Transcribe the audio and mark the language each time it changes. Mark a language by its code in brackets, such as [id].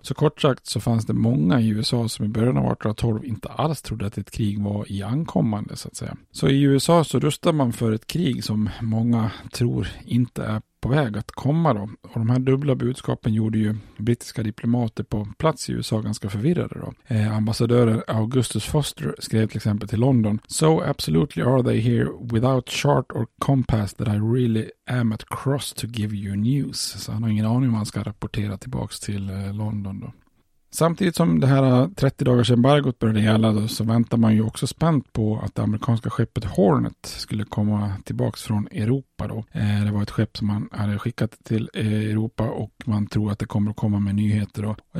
[sv] Så kort sagt så fanns det många i USA som i början av 1812 inte alls trodde att ett krig var i ankommande så att säga. Så i USA så rustar man för ett krig som många tror inte är på väg att komma då. Och de här dubbla budskapen gjorde ju brittiska diplomater på plats i USA ganska förvirrade då. Ambassadören Augustus Foster skrev till exempel till London: [en] "So absolutely are they here without chart or compass that I really am at cross to give you news." [sv] Så han har ingen aning om han ska rapportera tillbaks till London då. Samtidigt som det här 30 dagars embargot började gälla då, så väntar man ju också spänt på att det amerikanska skeppet Hornet skulle komma tillbaka från Europa då. Det var ett skepp som man hade skickat till Europa och man tror att det kommer att komma med nyheter då.